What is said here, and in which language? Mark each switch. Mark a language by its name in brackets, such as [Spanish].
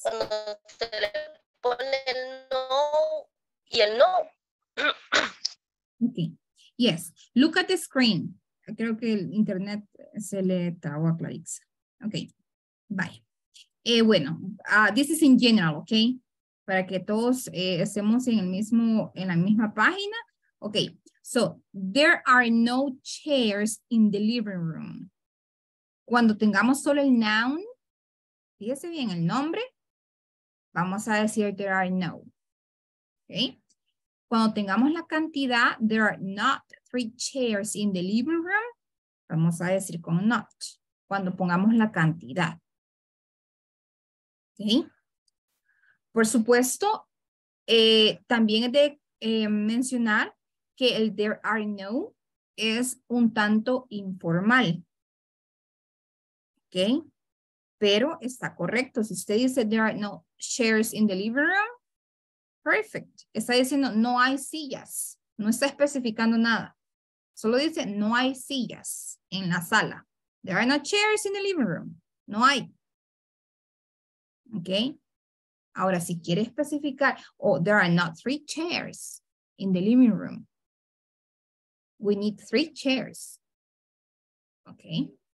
[Spanish] Cuando se le pone el no y el no. [English] Ok. Yes, look at the screen. [Spanish] Creo que el internet se le trabó a Clarix. [English] Okay, bye. This is in general, okay? [Spanish] Para que todos estemos en la misma página. [English] Okay, so there are no chairs in the living room. [Spanish] Cuando tengamos solo el noun, fíjese bien el nombre, vamos a decir [English] there are no. [Spanish] Okay? Cuando tengamos la cantidad, [English] there are not three chairs in the living room, [Spanish] vamos a decir con not, cuando pongamos la cantidad. ¿Sí? Por supuesto, también es de mencionar que el [English] there are no [Spanish] es un tanto informal. ¿Ok? Pero está correcto. Si usted dice [English] there are no chairs in the living room, perfect. [Spanish] Está diciendo no hay sillas. No está especificando nada. Solo dice, no hay sillas en la sala. [English] There are no chairs in the living room. [Spanish] No hay. [English] Ok. [Spanish] Ahora, si quiere especificar, [English] there are not three chairs in the living room. We need three chairs. Ok.